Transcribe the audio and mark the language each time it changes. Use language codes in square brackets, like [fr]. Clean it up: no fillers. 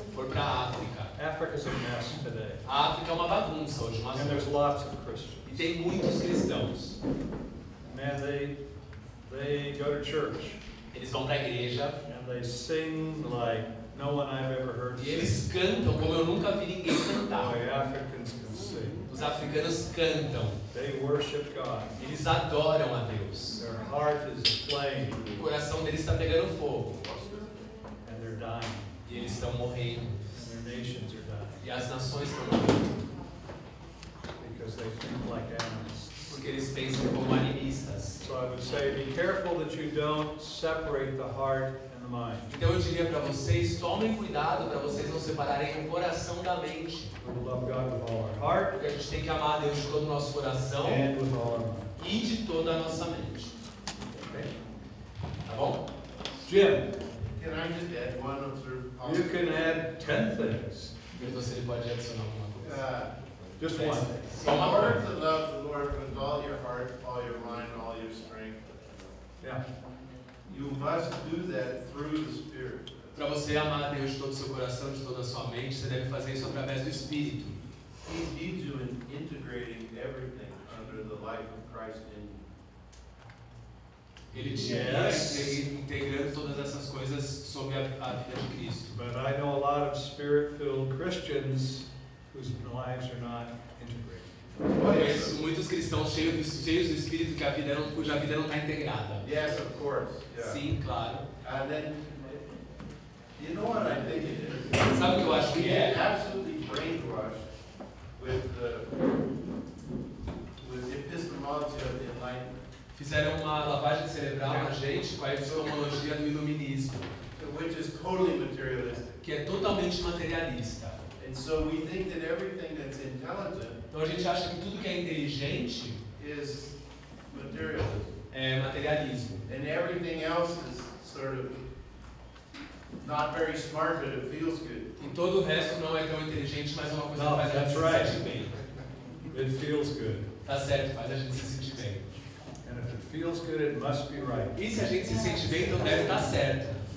[pt] for para África, [en] Africa's a mess today. [pt] A África é uma bagunça hoje. Mas [en] and there's lots of Christians. [pt] E tem muitos cristãos. [en] Man, they go to church. [pt] Eles vão para a igreja. [en] And they sing like no one I've ever heard. [pt] E eles cantam como eu nunca vi ninguém cantar. [en] The Africans can sing. [pt] Os africanos cantam. [en] They worship God. [pt] Eles adoram a Deus. [en] Their heart is aflame. [pt] O coração deles está pegando fogo. [en] And they're dying. [pt] E eles estão morrendo. [en] And their nations are dying. [pt] E as nações estão morrendo. [en] Because they think like animals. [pt] Porque eles pensam como animistas. [en] So I would say, be careful that you don't separate the heart and the mind. [pt] Então eu diria para vocês, tomem cuidado para vocês não separarem o coração da mente. [en] We'll love God with all our heart. [pt] Porque a gente tem que amar a Deus de todo o nosso coração [en] and with all our mind. [pt] E de toda a nossa mente. [en] Okay. [pt] Tá bom? [en] Jim, can I just add one or two? You can add 10 things. [pt] Mas você pode adicionar alguma coisa. [en] Just one. So in order to love the Lord with all your heart, all your mind, all your strength. Yeah. You must do that through the Spirit. [pt] Para você amar a Deus de todo o seu coração, de toda a sua mente, você deve fazer isso através do Espírito. [en] He leads you in integrating everything under the life of Christ in you. [pt] Ele te integrando todas essas coisas sob a vida de Cristo. [en] But I know a lot of spirit-filled Christians whose lives are not integrated. [pt] Conheço muitos cristãos cheios do Espírito que a vida não, cuja vida não está integrada. [en] Yes, of course. Yeah. [pt] Sim, claro. [en] And then, you know what I think it is? [pt] Sabe o que eu acho que é? [en] Absolutely brainwashed with epistemology of the enlightenment. [pt] Fizeram uma lavagem cerebral na gente com a epistemologia do iluminismo, [en] which is totally materialistic. [pt] Que é totalmente materialista. [en] And so we think that everything that's intelligent, [pt] então a gente acha que tudo que é inteligente [en] is materialism. [pt] É materialismo. [en] And everything else is sort of not very smart, but it feels good. [pt] E todo o resto não é tão inteligente, mas é uma coisa que faz a gente se sentir bem. [en] It feels good. [pt] Tá certo, faz a gente se sentir bem. [en] Feels good, it must be right. [pt] E se a gente se sente bem, então deve estar certo.